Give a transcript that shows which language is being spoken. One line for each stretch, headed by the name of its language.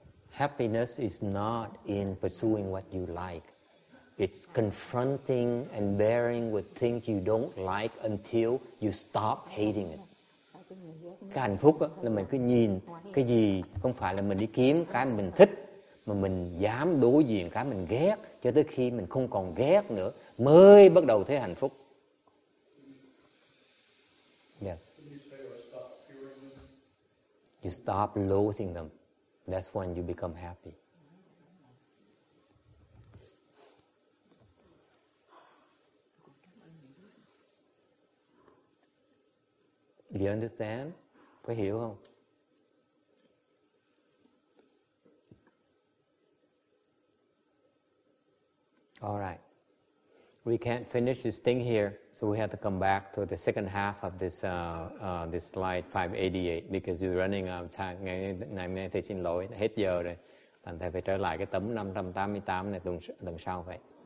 English: Happiness is not in pursuing what you like. It's confronting and bearing with things you don't like until you stop hating it.
Vietnamese: Cái hạnh phúc đó, là mình cứ nhìn cái gì không phải là mình đi kiếm cái mình thích, mà mình dám đối diện cái mình ghét cho tới khi mình không còn ghét nữa mới bắt đầu thấy hạnh phúc.
English: Yes. You stop loathing them. That's when you become happy. Do you understand?
Vietnamese: Có hiểu không?
English: All right. We can't finish this thing here, so we have to come back to the second half of this this slide 588 because we're running out of time.
Vietnamese: Ngày thầy xin lỗi, hết giờ rồi. Thành thầy phải trở lại cái tấm 588 này lần sau vậy.